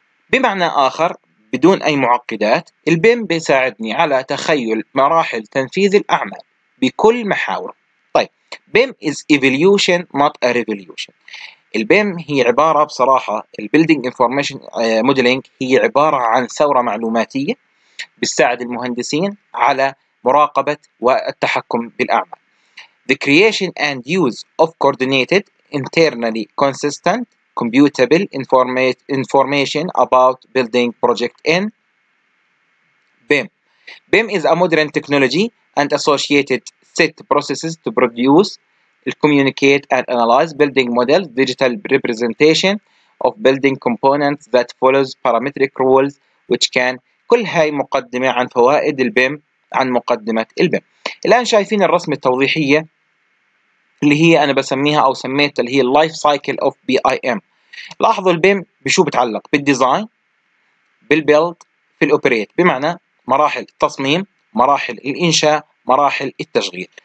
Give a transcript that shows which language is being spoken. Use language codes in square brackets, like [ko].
[ar] بمعنى آخر، بدون أي معقدات، البيم بيساعدني على تخيل مراحل تنفيذ الأعمال بكل محاور. طيب [en] BIM is evolution not a revolution. [ar] البيم هي عبارة بصراحة البيلدينج انفورميشن موديلينج هي عبارة عن ثورة معلوماتية بتساعد المهندسين على مراقبة والتحكم بالأعمال. [en] The creation and use of coordinated internally consistent computable information about building project in BIM. BIM is a modern technology and associated set processes to produce, communicate and analyze building models, digital representation of building components that follows parametric rules which can. [ar] كل هاي مقدمة عن فوائد البيم عن مقدمة البيم. الآن شايفين الرسمة التوضيحية اللي هي أنا بسميها أو سميتها اللي هي Life Cycle of BIM. لاحظوا البيم بشو بتعلق؟ بالديزاين، بالبيلد، في الأوبريت، بمعنى مراحل التصميم، مراحل الإنشاء، مراحل التشغيل.